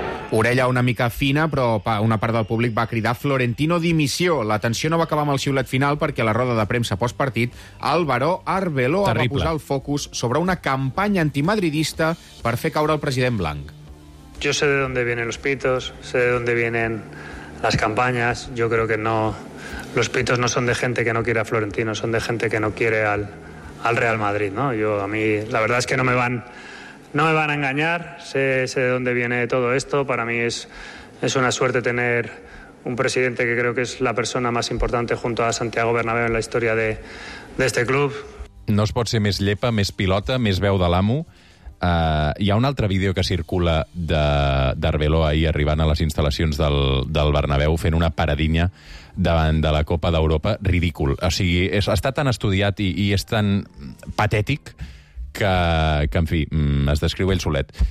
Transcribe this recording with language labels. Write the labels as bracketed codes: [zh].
[ca] Orella una mica fina, però una part del públic va cridar Florentino dimissió. La tensió no va acabar amb el xiulet final perquè a la roda de premsa postpartit el baró Arbeloa va posar el focus sobre una campanya antimadridista per fer caure el president blanc. [es] Yo sé de dónde vienen los pitos, sé de dónde vienen las campañas. Yo creo que no, los pitos no son de gente que no quiere a Florentino, son de gente que no quiere al Real Madrid, ¿no? Yo a mí la verdad es que no me van a engañar, sé de dónde viene todo esto. Para mí es una suerte tener un presidente que creo que es la persona más importante junto a Santiago Bernabéu en la historia de este club. [ca] No es pot ser més llepa, més pilota, més veu de l'amo. Hi ha un altre vídeo que circula d'Arbeloa ahir arribant a les instal·lacions del Bernabéu fent una paradinha davant de la Copa d'Europa. Ridícul. O sigui, està tan estudiat i és tan patètic que, en fi, es descriu ell solet.